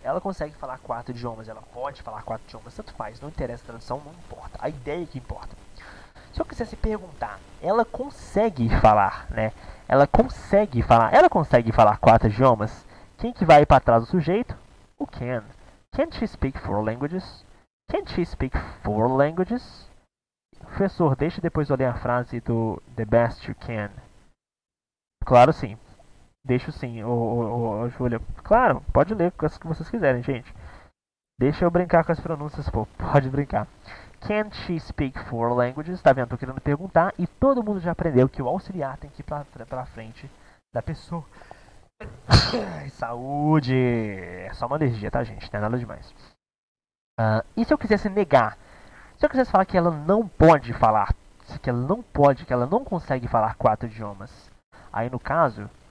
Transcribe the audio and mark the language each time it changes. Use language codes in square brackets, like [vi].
[pt] Ela consegue falar quatro idiomas, ela pode falar quatro idiomas, tanto faz, não interessa a tradução, não importa. A ideia é que importa. Se eu quisesse perguntar, ela consegue falar, né? Ela consegue falar. Ela consegue falar quatro idiomas? Quem que vai para trás do sujeito? O can. [en] Can't she speak four languages? Can't she speak four languages? [pt] Professor, deixa depois eu ler a frase do The best you can. Claro, sim. Deixo sim, ô Júlia. Claro, pode ler com as que vocês quiserem, gente. Deixa eu brincar com as pronúncias, pô. Pode brincar. [en] Can't she speak four languages? [pt] Tá vendo? Tô querendo perguntar. E todo mundo já aprendeu que o auxiliar tem que ir pra frente da pessoa. Saúde! É só uma alergia, tá, gente? Não é nada demais. E se eu quisesse negar? Se eu quisesse falar que ela não pode falar? Que ela não pode, que ela não consegue falar quatro idiomas? Aí, no caso.